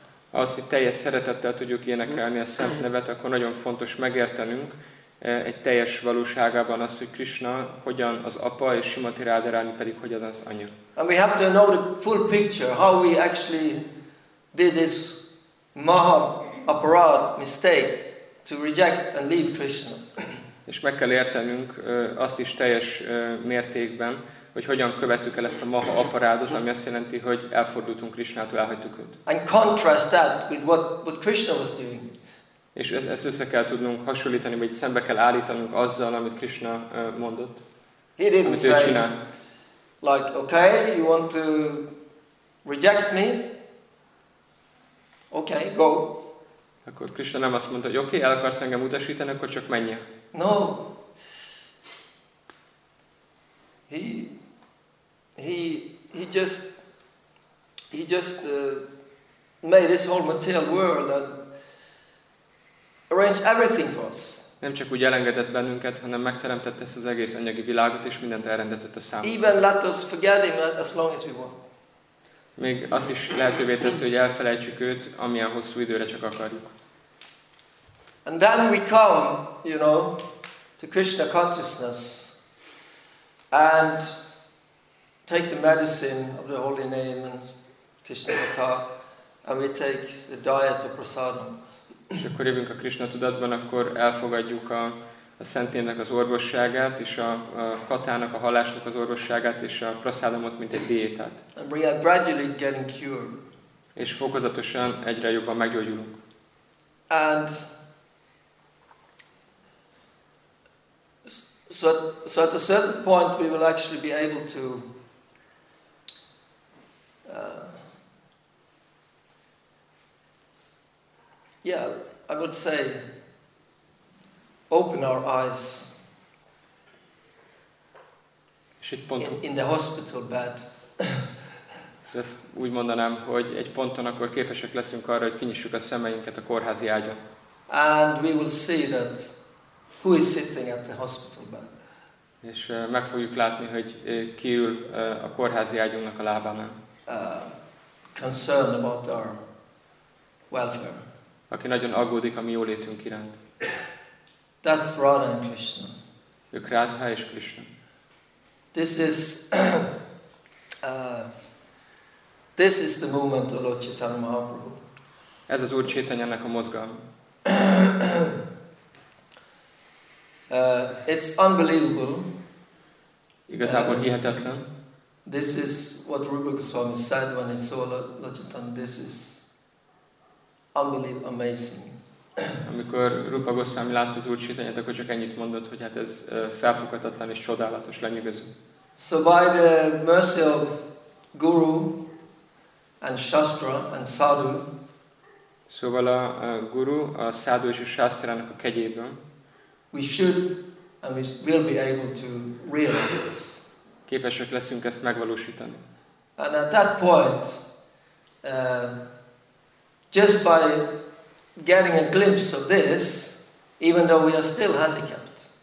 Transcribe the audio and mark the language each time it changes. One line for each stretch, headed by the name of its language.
Hungarian: Ahhoz, hogy teljes szeretettel tudjuk énekelni a szent nevet, akkor nagyon fontos megértenünk egy teljes valóságában azt, hogy Krishna hogyan az apa, és Srimati Radharani pedig hogyan az anya.
English: And we have to know the full picture, how we actually did this maha aparad mistake to reject and leave Krishna.
Hungarian: És meg kell értenünk azt is teljes mértékben, hogy hogyan követtük el ezt a maha aparádot, ami azt jelenti, hogy elfordultunk Krishnától, elhagytuk őt.
English: And contrast that with what Krishna was doing.
Hungarian: És ezt össze kell tudnunk hasonlítani, vagy szembe kell állítanunk azzal, amit Krishna mondott.
English: He didn't say, csinál. Like, okay, you want to reject me? Okay, go.
Hungarian: Akkor Krishna nem azt mondta, hogy okay, el akarsz engem utasítani, akkor csak menjél.
English: No. He just made this whole material world and arranged everything for us.
Hungarian: Nem csak úgy elengedett bennünket, hanem megteremtette ezt az egész anyagi világot és mindent elrendezett a számunkra.
English: Even let us forget him as long as we want.
Hungarian: Még azt is lehetővé teszi, hogy elfelejtsük őt, amilyen hosszú időre csak akarjuk.
English: And then we come, you know, to Krishna consciousness and take the medicine of the holy name and Krishna Kata and we take the diet of prasadam.
Hungarian: És akkor jövünk a Krishna tudatban, akkor elfogadjuk a szentnének az orvosságát, és a katának, a hallásnak az orvosságát, és a prasadamot, mint egy diétát.
English: And we are gradually getting cured.
Hungarian: És fokozatosan egyre jobban meggyógyulunk.
English: And so at a certain point we will actually be able to I would say open our eyes in the hospital bed.
Hungarian: Ezt úgy mondanám, hogy egy ponton akkor képesek leszünk arra, hogy kinyissuk a szemeinket a kórházi ágyon.
English: And we will see that who is sitting at the hospital bed.
Hungarian: És meg fogjuk látni, hogy ki ül a kórházi ágyunknak a lábánál.
English: Concerned about our welfare.
Hungarian: Aki nagyon aggódik a mi jólétünk iránt.
English: That's Radha and Krishna.
Hungarian: Ők Radha és Krishna.
English: This is the movement of Lord Chaitanya Mahaprabhu.
Hungarian: Ez az Úr Chaitanyának a mozgalma.
English: It's unbelievable.
Hungarian: Igazából hihetetlen.
English: This is what Rupa Goswami said when he saw Lord Chaitanya. This is unbelievable, amazing.
Hungarian: Amikor Rupa Goswami látta az Úr Chaitanyát, akkor csak ennyit mondott, hogy hát ez felfoghatatlan és csodálatos, lenyűgöző.
English: So by the mercy of Guru and Shastra and Sadhu.
Hungarian: Szóval a Guru, a Sadhu és a Shastrának a kegyében.
English: We should and we will be able to realize this.
Hungarian: Képesek leszünk ezt megvalósítani.
English: And at that point, just by getting a glimpse of this, even though we are still handicapped.